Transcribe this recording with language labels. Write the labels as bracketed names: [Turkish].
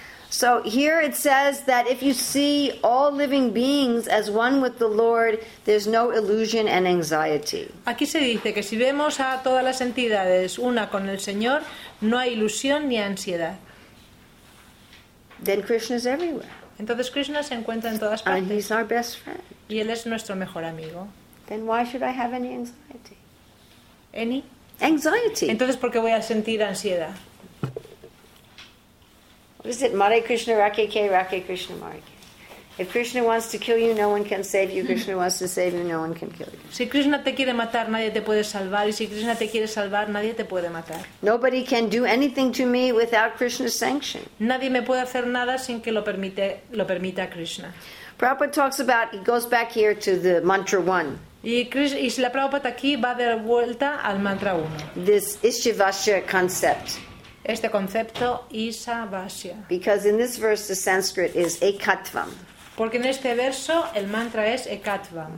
[English] So here it says that if you see all living beings as one with the Lord, there's no illusion and anxiety. [Spanish] Aquí se dice que si vemos a todas las entidades una con el Señor, no hay ilusión ni ansiedad. [English] Then Krishna is everywhere. [Spanish] Entonces Krishna se encuentra en todas partes. [English] And he's our best friend. [Spanish] Y él es nuestro mejor amigo. [English] Then why should I have any anxiety? Any? Anxiety. [Spanish] Entonces, ¿por qué voy a sentir ansiedad? What is it? Mare Krishna Rake K, Rake Krishna Mare K. [English] If Krishna wants to kill you, no one can save you. Krishna wants to save you, no one can kill you. [Spanish] Si Krishna te quiere matar, nadie te puede salvar. Y si Krishna te quiere salvar, nadie te puede matar. [English] Nobody can do anything to me without Krishna's sanction. [Spanish] Nadie me puede hacer nada sin que lo permita Krishna. [English] Prabhupada talks about, he goes back here to the mantra 1. [Spanish] Y si la Prabhupada aquí va de vuelta al mantra 1. [English] This Ishivasya concept. [Spanish] Este concepto Ishivasya. [English] Because in this verse the Sanskrit is ekatvam. [Spanish] Porque en este verso el mantra es ekatvam.